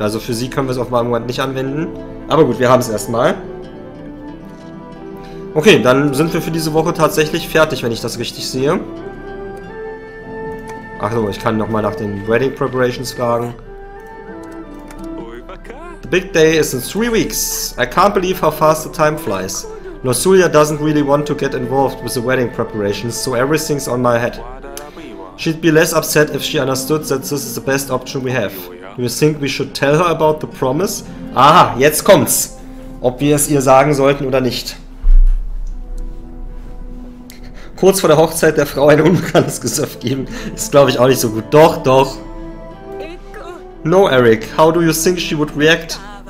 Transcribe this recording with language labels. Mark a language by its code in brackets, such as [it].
[de] Also für sie können wir es auf meinem Moment nicht anwenden. Aber gut, wir haben es erstmal. Okay, dann sind wir für diese Woche tatsächlich fertig, wenn ich das richtig sehe. Ach so, ich kann nochmal nach den Wedding Preparations fragen. [en] The big day is in 3 weeks. I can't believe how fast the time flies. Nosulia doesn't really want to get involved with the wedding preparations, so everything's on my head. She'd be less upset if she understood that this is the best option we have. Do you think we should tell her about the promise? [de] Aha, jetzt kommt's. Ob wir es ihr sagen sollten oder nicht. Kurz vor der Hochzeit der Frau ein unbekanntes Gesöff geben, ist glaube ich auch nicht so gut. Doch, doch. [en] No, Eric, how do you think she would react?